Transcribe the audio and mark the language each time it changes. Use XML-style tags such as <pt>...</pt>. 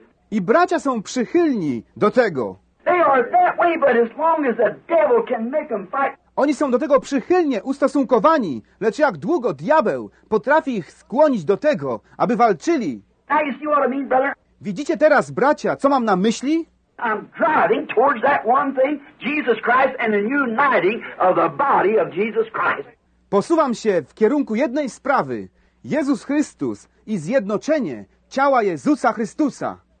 <pl>I bracia są przychylni do tego.</pl> <en>They are that way, but as long as the devil can make them fight.</en> <pl>Oni są do tego przychylnie ustosunkowani, lecz jak długo diabeł potrafi ich skłonić do tego, aby walczyli.</pl> <en>Now you see what I mean, brother?</en> <pl>Widzicie teraz, bracia, co mam na myśli?</pl> <en>I'm driving towards that one thing, Jesus Christ, and the uniting of the body of Jesus Christ.</en> <pl>Posuwam się w kierunku jednej sprawy, Jezus Chrystus i zjednoczenie ciała Jezusa Chrystusa.</pl>